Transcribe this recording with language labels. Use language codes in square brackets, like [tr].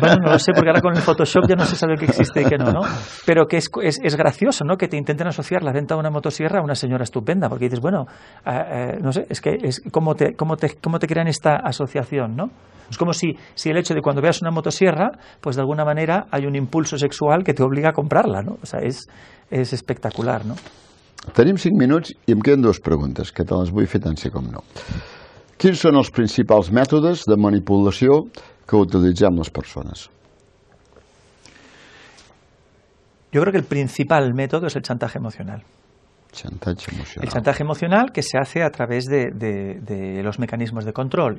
[es] Bueno, no lo sé, porque ahora con el Photoshop ya no se sabe qué existe y qué no, ¿no? Pero que es gracioso, ¿no?, que te intenten asociar la venta de una motosierra a una señora estupenda, porque dices, bueno, no sé, es que es cómo te crean esta asociación, ¿no? Es como si el hecho de cuando veas una motosierra, pues de alguna manera hay un impulso sexual que te obliga a comprarla, ¿no? O sea, es espectacular, ¿no? [ca] Tenim 5 minuts i em queden 2 preguntes, que te les vull fer tant sí com no. Quins són els principals mètodes de manipulació que utilitzem les persones? Jo crec que el principal mètode és el xantatge emocional. [es] Chantaje emocional. El chantaje emocional que se hace a través de los mecanismos de control.